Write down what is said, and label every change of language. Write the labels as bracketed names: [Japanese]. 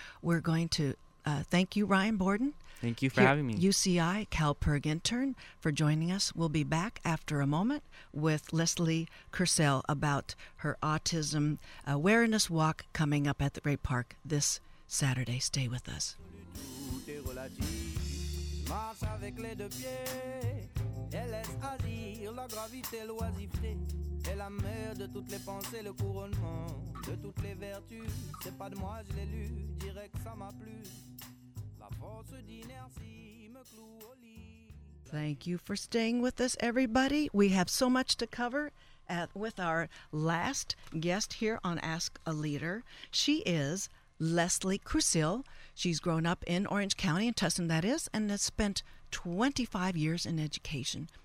[English] We're going to thank you, Ryan Borden. Thank you for having me. UCI CalPIRG intern, for joining us. We'll be back after a moment with Leslie Kersell about her autism awareness walk coming up at the Great Park this Saturday. Stay with us. [French] Relative, marche avec les deux pieds, elle laisse agir la gravité, l'oisiveté, et la mère de toutes les pensées, le couronnement de toutes les vertus. C'est pas de moi, je l'ai lu, direct ça m'a plu. La force d'inertie me cloue au lit. [English] Thank you for staying with us, everybody. We have so much to cover with our last guest here on Ask a Leader. She is Leslie Kersell. She's grown up in Orange County, in Tustin, that is, and has spent 25 years in education.